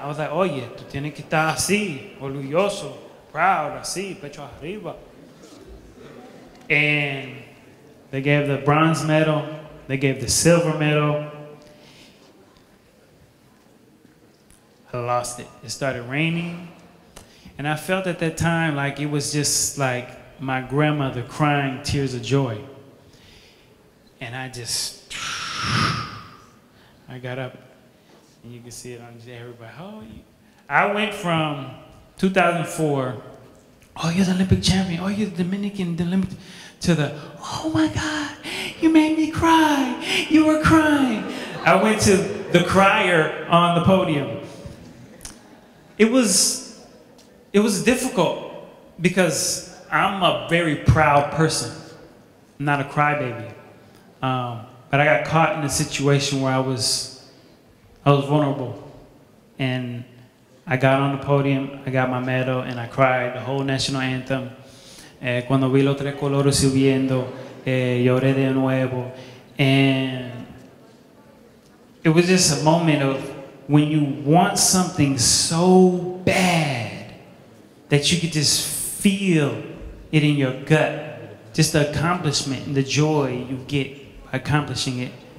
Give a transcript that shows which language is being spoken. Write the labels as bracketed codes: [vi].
[en] I was like, [es] oye, tú tienes que estar así, orgulloso, proud, así, pecho arriba. [en] And they gave the bronze medal, they gave the silver medal. I lost it. It started raining. And I felt at that time like it was just like my grandmother crying tears of joy. And I got up. And you can see it on everybody. I went from 2004, oh, you're the Olympic champion, oh, you're the Dominican, to the, oh my God, you made me cry. You were crying. I went to the crier on the podium. It was difficult because I'm a very proud person, I'm not a crybaby. But I got caught in a situation where I was vulnerable. And I got on the podium, I got my medal, and I cried the whole national anthem. [es] Cuando vi los tres colores subiendo, lloré de nuevo. [en] And it was just a moment of when you want something so bad that you could just feel it in your gut, just the accomplishment and the joy you get accomplishing it.